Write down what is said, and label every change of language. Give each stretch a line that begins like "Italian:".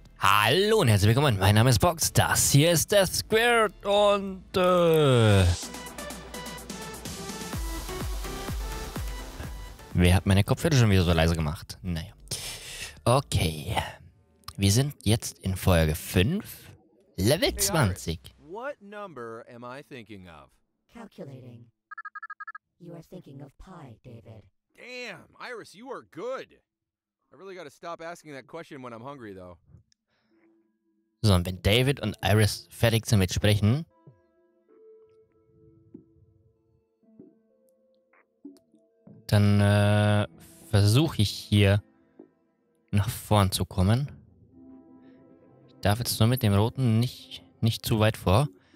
German: Hallo und herzlich willkommen, mein Name ist Box, das hier ist Death Squared und wer hat meine Kopfhörer schon wieder so leise gemacht? Naja. Okay. Wir sind jetzt in Folge 5, Level 20.
English: What number am I thinking of? Calculating. You are thinking of Pi, David. Damn, Iris, you are good. I really gotta stop asking that question when I'm hungry, though.
German: So, und wenn David und Iris fertig sind mit Sprechen. Dann versuche ich hier nach vorn zu kommen. Ich darf jetzt nur mit dem Roten nicht zu weit vor.